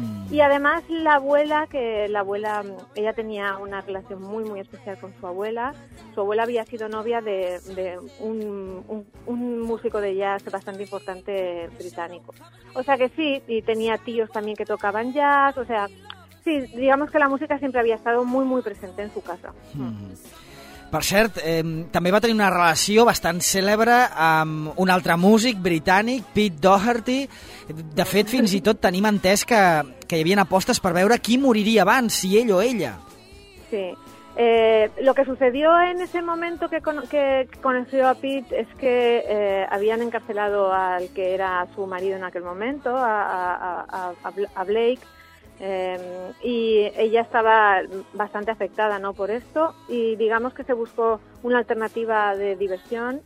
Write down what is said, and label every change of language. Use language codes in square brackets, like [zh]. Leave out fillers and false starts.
[es] Y además la abuela, ella tenía una relación muy muy especial con su abuela. Su abuela había sido novia de un músico de jazz bastante importante británico. O sea que sí, y tenía tíos también que tocaban jazz, o sea, sí, digamos que la música siempre había estado muy muy presente en su casa. [ca] Per cert, també va tenir una relació bastant cèlebre amb un altre músic britànic, Pete Doherty. De fet, fins i tot tenim entès que hi havia apostes per veure qui moriria abans, si ell o ella. [es] Sí. Lo que sucedió en ese momento que conoció a Pete es que habían encarcelado al que era su marido en aquel momento, a Blake. Y ella estaba bastante afectada, ¿no?, por esto, y digamos que se buscó una alternativa de diversión.